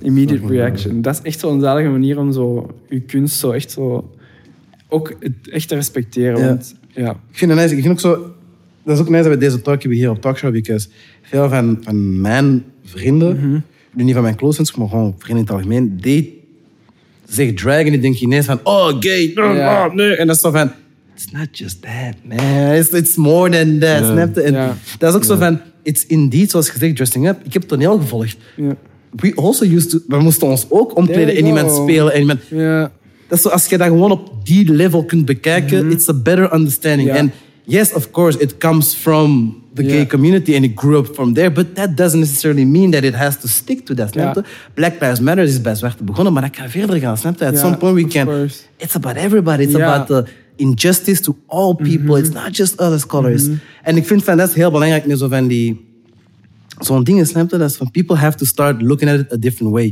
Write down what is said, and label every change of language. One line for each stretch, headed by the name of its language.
Dutch: Immediate reaction. Dat is echt zo'n zalige manier om zo je kunst zo echt zo ook echt te respecteren. Want, Ik vind het nice. Ik vind ook zo dat is ook nice dat we deze talk hebben hier op Talkshow, because veel van mijn vrienden, mm-hmm. nu niet van mijn close friends, maar gewoon vrienden in het algemeen, die zich dragen, die denken ineens van, oh, gay, yeah. Oh, nee. En dat is zo van,
English: it's not just that, man. It's more than that, yeah.
Dutch: Snap je?
English: Yeah.
Dutch: Dat is ook zo van,
English: it's indeed,
Dutch: zoals gezegd,
English: dressing up.
Dutch: Ik heb toneel gevolgd.
English: Yeah. We also used to,
Dutch: we moesten ons ook omkleden en iemand spelen. En iemand,
English: yeah.
Dutch: Dat is zo, als je dat gewoon op die level kunt bekijken, mm-hmm.
English: it's a better understanding. Yeah. And yes, of course, it comes from the gay community and it grew up from there. But that doesn't necessarily mean that it has to stick to that. Yeah.
Dutch: Black Lives Matter is bij zwarte begonnen, maar dat kan verder gaan. Snap je?
English: At some point we can... Course. It's about everybody. It's about the injustice to all people. Mm-hmm. It's not just other colors.
Dutch: Mm-hmm. En ik vind van, dat is heel belangrijk nu zo van die... Zo'n ding is, snap je? Dat is van,
English: people have to start looking at it a different way.